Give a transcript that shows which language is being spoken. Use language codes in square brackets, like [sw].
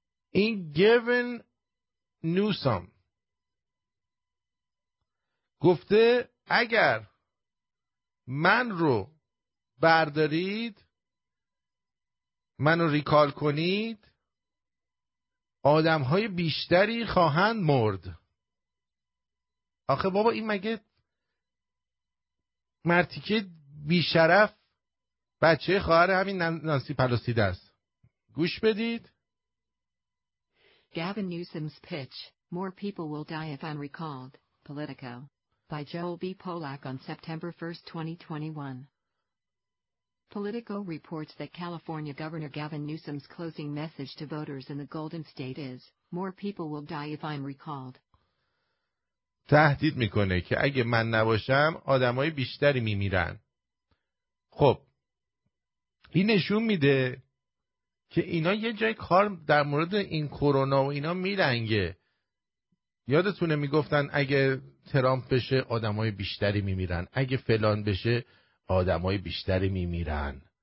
[fa] این گیون نوسام گفته اگر من رو بردارید، من رو ریکال کنید، آدم های بیشتری خواهند مرد. آخه بابا این مگه مرتیکه بیشرف بچه خواهر همین نانسی پلوسی است؟ گوش بدید. [en] Gavin Newsom's pitch: More people will die if unrecalled. Politico. By Joel B. Polak on September 1, 2021. Politico reports that California Governor Gavin Newsom's closing message to voters in the Golden State is: More people will die if I'm recalled. [fa] تهدید میکنه که اگه من نباشم آدمای بیشتری میمیرن. خب این نشون میده که اینا یه جای کار در مورد این کرونا و اینا میلنگه. یادتونه میگفتن اگه ترامپ بشه آدمای بیشتری میمیرن، اگه فلان بشه آدمای بیشتری میمیرن.